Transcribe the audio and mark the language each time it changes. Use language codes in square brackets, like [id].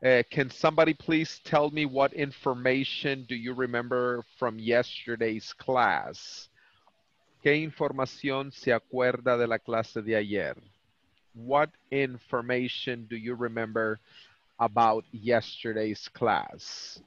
[en] Can somebody please tell me what information do you remember from yesterday's class? [es] ¿Qué información se acuerda de la clase de ayer? [en] What information do you remember about yesterday's class?